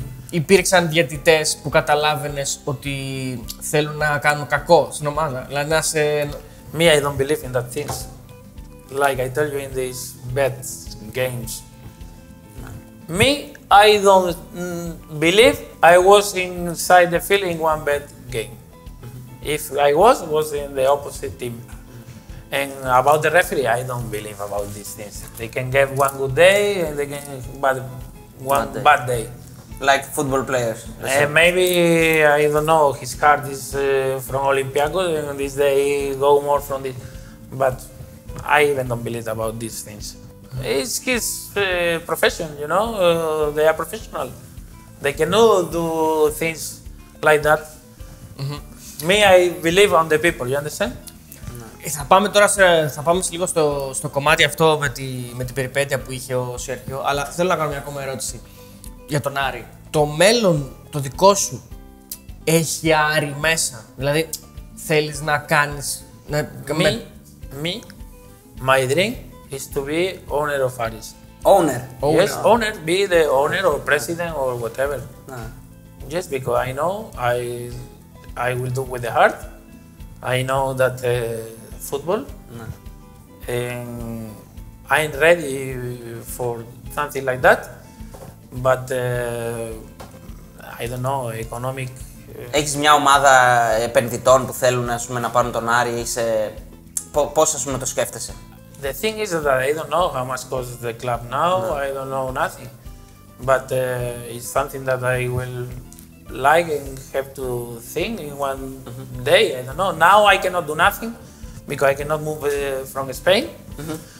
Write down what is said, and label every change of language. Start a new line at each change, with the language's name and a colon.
Greek: Υπήρξαν διαιτητές που καταλάβαινες ότι θέλουν να κάνουν κακό στην ομάδα. Δηλαδή να σε...
English: Me, I don't believe in that things. Like I tell you in these bad games. Me, I don't believe I was inside the feeling one bad game. If I was in the opposite team. And about the referee, I don't believe about these things. They can get one good day and they can have one bad day. Like football players. Maybe, I don't know, his card is from Olympiacos and this day he go more from this. But I even don't believe about these things. It's his profession, you know, they are professional. They cannot do things like that. Mm-hmm. Me, I believe on the people, you understand?
Greek: Θα πάμε τώρα θα πάμε λίγο στο κομμάτι αυτό με την περιπέτεια που είχε ο Σέρχιο, αλλά θέλω να κάνω μια ακόμα ερώτηση για τον Άρη. Το μέλλον το δικό σου έχει Άρη μέσα, δηλαδή θέλεις να κάνεις...
English: Me, my dream is to be owner of Aris. Owner. Yes, owner, be the owner or president or whatever. Yes, because I know I will do with the heart. I know that football. No. I'm ready for something like that, but I don't know economic.
Greek: Έχεις μια ομάδα επενδυτών που θέλουν να πάρουν τον Άρη ή σε πώς το σκέφτεσαι;
English: The thing is that I don't know how much costs the club now. No. I don't know nothing, but it's something that I will. Like and have to think in one day. I don't know. Now I cannot do nothing because I cannot move from Spain. Mm-hmm.